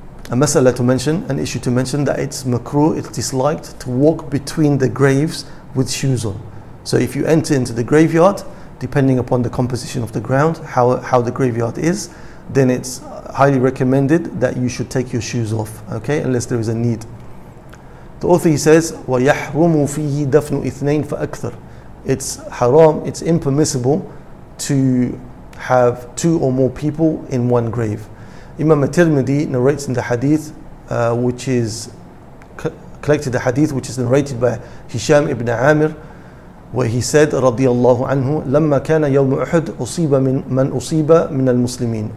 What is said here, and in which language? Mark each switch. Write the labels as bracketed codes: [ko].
[en] A mas'ala to mention, an issue to mention, that it's makruh, it's disliked to walk between the graves with shoes on. So if you enter into the graveyard, depending upon the composition of the ground, how the graveyard is, then it's highly recommended that you should take your shoes off, okay, unless there is a need. The author, he says, [ar] وَيَحْرُمُ فِيهِ دَفْنُ إِثْنَيْنِ فَأَكْثَرُ. [en] It's haram, it's impermissible to have two or more people in one grave. Imam al-Tirmidhi narrates in the hadith, which is collected, the hadith which is narrated by Hisham ibn Amir, where he said, [ar] رضي الله عنه, لما كان يوم أحد أصيب من من أصيب من المسلمين.